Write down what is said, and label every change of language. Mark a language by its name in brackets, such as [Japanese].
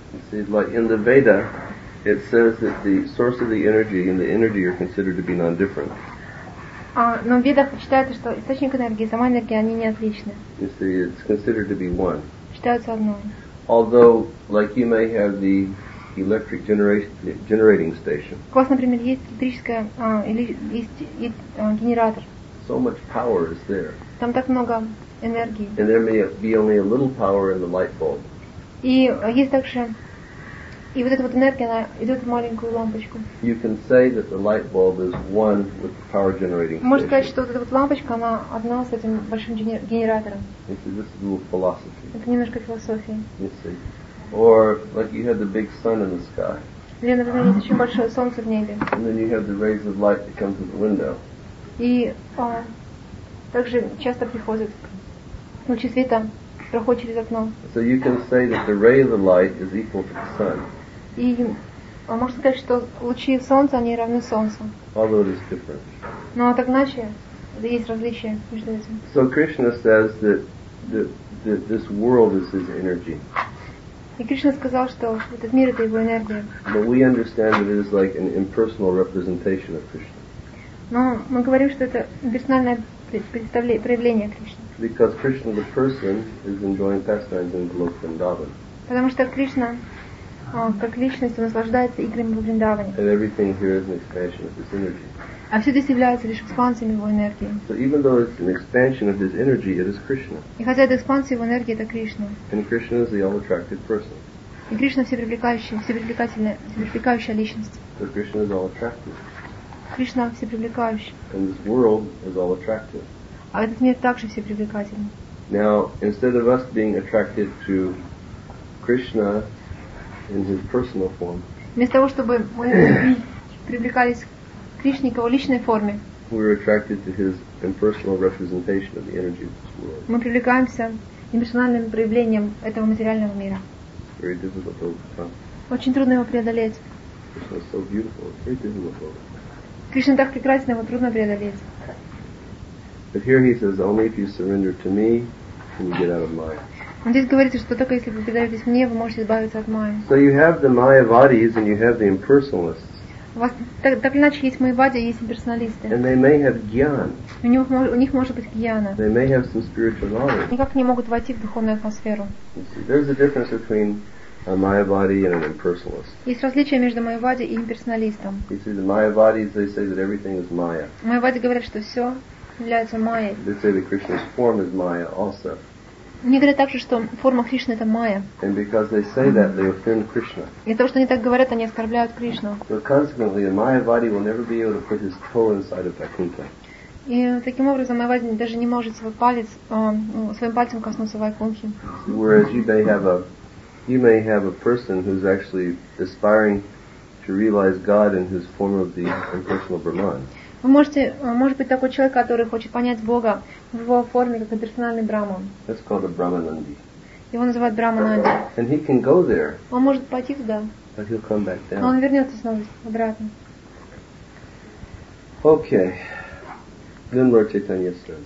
[English] See, like in the Veda, it says that the source of the energy and the energy are considered to be non-different. [Russian] Но в Ведах считается, что источник энергии, сама энергия, они не отличны. [English] You see, it's considered to be one. [Russian] Считаются одной. [English] Although, like you may have the electric generating station. [Russian] У вас, например, есть электрическая генератор. [English] So much power is there. [Russian] Там так много энергии. [English] And there may be only a little power in the light bulb. [Russian] И есть также и вот эта вот энергия, она идет в маленькую лампочку. [English] You can say that the light bulb is one with the power generating station. [Russian] Можно сказать, что вот эта вот лампочка, она одна с этим большим генератором. [English] This is a little philosophy. [Russian] Это немножко философия. [English] You see. Or, like you have the big sun in the sky. [Russian] Или, например, есть очень большое солнце в небе. [English] And then you have the rays of light that come through the window. [Russian] И также часто приходят лучи света. [English] So you can say that the ray of the light is equal to the sun. [Russian] И можно сказать, что лучи солнца они равны солнцу. [English] Although it is different. [Russian] Но так иначе есть различия между этим. [English] So Krishna says that this world is his energy. [Russian] И Кришна сказал, что этот мир это его энергия. [English] But we understand that it is like an impersonal representation of Krishna. [Russian] Но мы говорим, что это персональное проявление Кришны. [English] Because Krishna the person is enjoying pastimes in Golok Vrindavan. [Russian] Потому что Кришна, как личность, наслаждается играми в Вриндаване. [English] And everything here is an expansion of his energy. [Russian] А все здесь является лишь экспансией его энергии. [English] So even though it's an expansion of his energy, it is Krishna. [Russian] И хотя это экспансия его энергии, это Кришна. [English] And Krishna is the all-attractive person. [Russian] И Кришна всепривлекающая личность. [English] So Krishna is all-attractive. [Russian] Кришна всепривлекающий. [English] And this world is all-attractive. [Russian] А этот мир также все привлекательны. [English] Now, instead of us being attracted to Krishna in his personal form, [Russian] вместо того, чтобы мы привлекались к Кришне в его личной форме, [English] we're attracted to his impersonal representation of the energy of this world. [Russian] Мы привлекаемся имперсональным проявлением этого материального мира. [English] Very difficult to overcome. [Russian] Очень трудно его преодолеть. [English] Krishna is so beautiful. It's very difficult to overcome. [Russian] Кришна так прекрасен, его трудно преодолеть. [English] But here he says, only if you surrender to me, can you get out of mine. [Russian] Он здесь говорит, что только если вы предаетесь мне, вы можете избавиться от майи. [English] So you have the mayavadis and you have the impersonalists. [Russian] У вас так или иначе есть майявади, есть имперсоналисты. [English] And they may have gyan. [Russian] У них может быть гьяна. [English] They may have some spiritual knowledge. [Russian] Никак не могут войти в духовную атмосферу. [English] There's a difference between a mayavadi and an impersonalist. [Russian] Есть различие между майявади и имперсоналистом. [English] You see, the mayavadis, they say that everything is maya. [Russian] Майявади говорят, что все является майей. [English] They say that Krishna's form is maya also. [Russian] Они говорят также, что форма Кришны — это майя. [English] And because they say that, they offend Krishna. [Russian] И то, что они так говорят, они оскорбляют Кришну. [English] So consequently, a mayavadi will never be able to put his toe inside of Vaikuntha. [Russian] И таким образом, майявади даже не может своим пальцем коснуться Вайкунхи. [English] Whereas you may have a person who's actually aspiring to realize God in his form of the impersonal Brahman. [Russian] Вы можете, может быть, такой человек, который хочет понять Бога в его форме, как имперсональный Браман. [English] That's called a Brahmananda. [Russian] Его называют Брахмананди. [English] And he can go there. [Russian] Он может пойти туда. [English] But he'll come back down. [Russian] Но он вернется снова обратно. [English] Okay. Then Lord Chaitanya says.